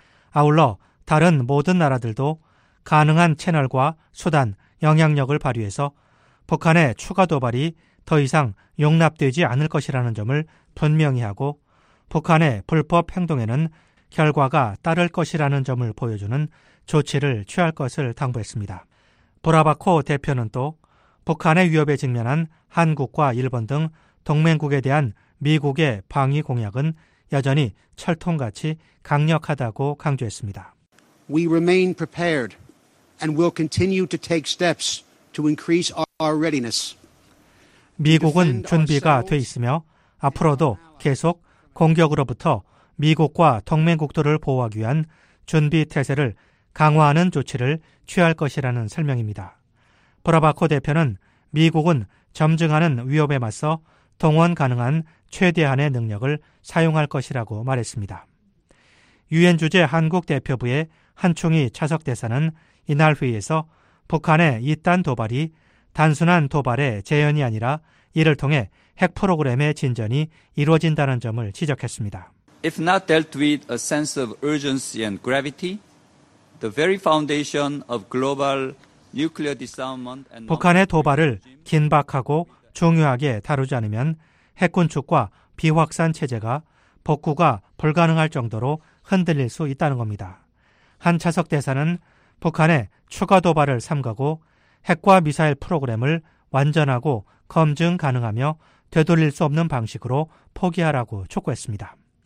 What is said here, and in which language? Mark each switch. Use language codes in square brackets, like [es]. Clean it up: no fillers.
[ko] 아울러 다른 모든 나라들도 가능한 채널과 수단, 영향력을 발휘해서 북한의 추가 도발이 더 이상 용납되지 않을 것이라는 점을 분명히 하고 북한의 불법 행동에는 결과가 따를 것이라는 점을 보여주는 조치를 취할 것을 당부했습니다. 보라바코 대표는 또 북한의 위협에 직면한 한국과 일본 등 동맹국에 대한 미국의 방위 공약은 여전히 철통같이 강력하다고 강조했습니다. [en] We remain prepared and will continue to take steps to increase our readiness. [ko] 미국은 준비가 돼 있으며 앞으로도 계속 공격으로부터 미국과 동맹국들을 보호하기 위한 준비 태세를 강화하는 조치를 취할 것이라는 설명입니다. 보라바코 대표는 미국은 점증하는 위협에 맞서 동원 가능한 최대한의 능력을 사용할 것이라고 말했습니다. 유엔 주재 한국 대표부의 한충희 차석대사는 이날 회의에서 북한의 잇단 도발이 단순한 도발의 재현이 아니라 이를 통해 핵 프로그램의 진전이 이루어진다는 점을 지적했습니다. [en] If not dealt with a sense of urgency and gravity, the very foundation of global nuclear disarmament and [ko] 북한의 도발을 긴박하고 중요하게 다루지 않으면 핵군축과 비확산 체제가 복구가 불가능할 정도로 흔들릴 수 있다는 겁니다. 한 차석 대사는 북한의 추가 도발을 삼가고 핵과 미사일 프로그램을 완전하고 검증 가능하며 되돌릴 수 없는 방식으로 포기하라고 촉구했습니다.